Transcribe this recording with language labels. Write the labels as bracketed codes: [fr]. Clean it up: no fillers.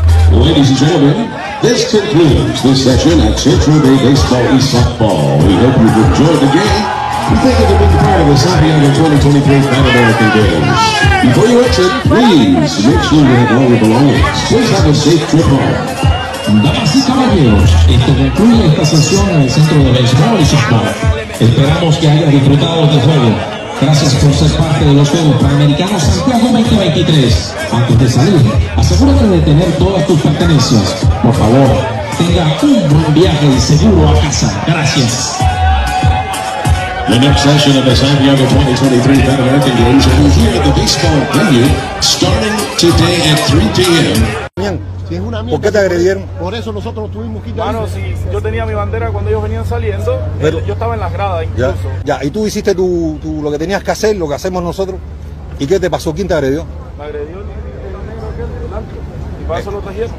[en] Ladies and gentlemen, this concludes the session at Central Bay Baseball and Softball. We hope you've enjoyed the game. Thank you for being part of the Santiago 2023 Pan American Games. Before you exit, please make sure you have all your belongings. Please have a safe trip home. [es] Damas y caballeros, esto concluye esta sesión en el Centro de Baseball y Softball. Esperamos que hayan disfrutado del juego. Gracias por ser parte de los Juegos Panamericanos Santiago 2023. Antes de salir, asegúrate de tener todas tus pertenencias. Por favor, tenga un buen viaje y seguro a casa. Gracias. [en] The next session of the Santiago 2023 Pan American Games will be here at the baseball venue starting today at 3 p.m. [es] Si es una mierda, ¿por qué te agredieron? Por eso nosotros tuvimos que ir. Bueno, si yo tenía mi bandera cuando ellos venían saliendo, pero yo estaba en las gradas incluso. Ya, y tú hiciste tu lo que tenías que hacer, lo que hacemos nosotros. ¿Y qué te pasó? ¿Quién te agredió? Me agredió el negro aquel delante. ¿Y para eso lo trajeron?